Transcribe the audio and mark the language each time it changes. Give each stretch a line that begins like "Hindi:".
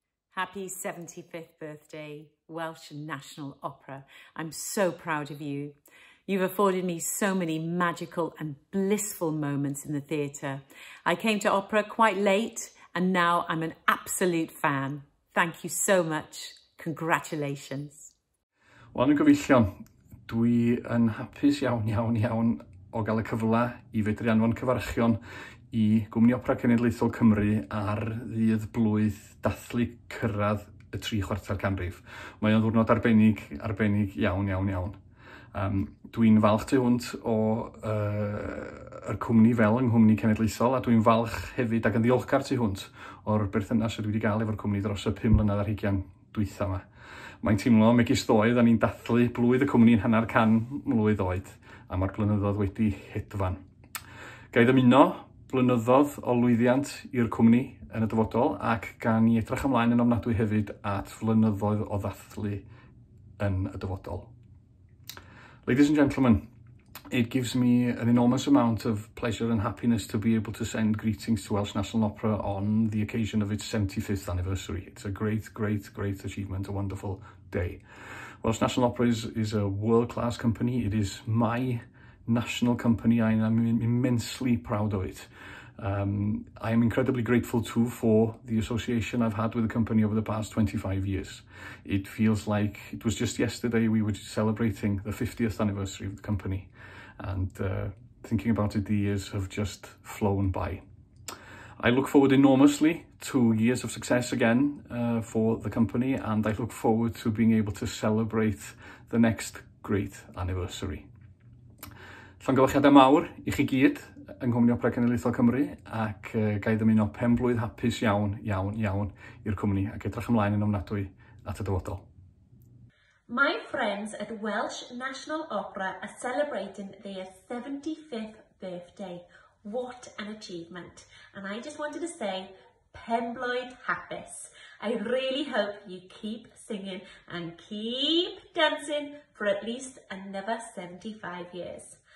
English: Happy 75th birthday, Welsh National Opera. I'm so proud of you. You've afforded me so many magical and blissful moments in the theatre. I came to opera quite late and now I'm an absolute fan. Thank you so much. Congratulations.
Welsh: Wel, yn gyfeillion, dwi yn hapus iawn, iawn, iawn o gael y cyfle i fedru anfon cyfarchion i Gwmni Opera Cenedlaethol Cymru ar ddydd blwydd dathlu cyrraedd y tri chwarter canrif. Mae o'n ddiwrnod arbennig, arbennig iawn, iawn, iawn. Dwi'n falch tu hwnt o y cwmni fel yng Nghymni Cenedlaethol, a dwi'n falch hefyd ac yn ddiolchgar tu hwnt o'r berthynas y dwi wedi gael efo'r cwmni dros y 5 mlynedd ar hugian dwytha yma. Mae'n teimlo megis ddoedd a ni'n dathlu blwydd y cwmni'n hanner can mlwydd oed, a mae'r blynyddoedd wedi hedfan. Gai ddymuno blynyddoedd o lwyddiant i'r cwmni yn y dyfodol, ac gan i edrych ymlaen yn ofnadwy hefyd at flynyddoedd o ddathlu yn y dyfodol.
English: Ladies and gentlemen, it gives me an enormous amount of pleasure and happiness to be able to send greetings to Welsh National Opera on the occasion of its 75th anniversary. It's a great, great, great achievement, a wonderful day. Welsh National Opera is a world-class company. It is my national company. I am immensely proud of it. I am incredibly grateful too for the association I've had with the company over the past 25 years. It feels like it was just yesterday we were celebrating the 50th anniversary of the company, and thinking about it, the years have just flown by. I look forward enormously to years of success again for the company, and I look forward to being able to celebrate the next great anniversary.
Welsh: Llongyfarchiadau mawr I chi gyd yng Nghymni Opera Cenedlaethol Cymru, ac gai ddymuno penblwydd hapus iawn, iawn, iawn i'r cwmni, ac edrych ymlaen yn ofnadwy at y dyfodol.
English: My friends at Welsh National Opera are celebrating their 75th birthday. What an achievement. And I just wanted to say,
Welsh: Penblwydd hapus.
English: I really hope you keep singing and keep dancing for at least another 75 years.